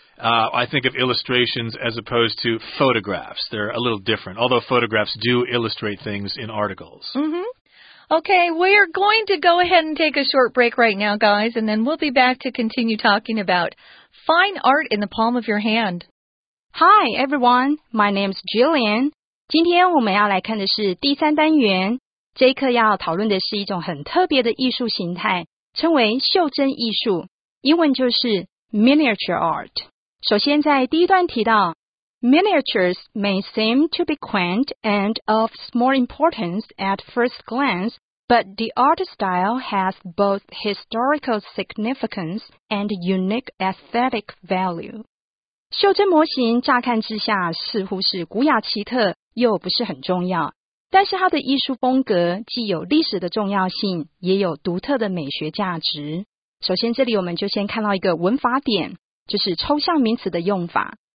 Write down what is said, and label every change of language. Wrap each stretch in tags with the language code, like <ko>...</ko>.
<en>I think of illustrations as opposed to photographs. They're a little different, although photographs do illustrate things in articles. Mm-hmm. Okay, we are going to go ahead and take a short break right now, guys, and then we'll be back to continue talking about fine art in the palm of your hand. Hi, everyone. My name's Jillian.</en> <zh>今天我们要来看的是第三单元。这一课要讨论的是一种很特别的艺术形态，称为袖珍艺术，英文就是 miniature art。首先在第一段提到</zh> <en>Miniatures may seem to be quaint and of small importance at first glance, but the art style has both historical significance and unique aesthetic value.</en> <zh>袖珍模型乍看之下似乎是古雅奇特又不是很重要，但是它的艺术风格既有历史的重要性，也有独特的美学价值。首先这里我们就先看到一个文法点，就是抽象名词的用法。</zh>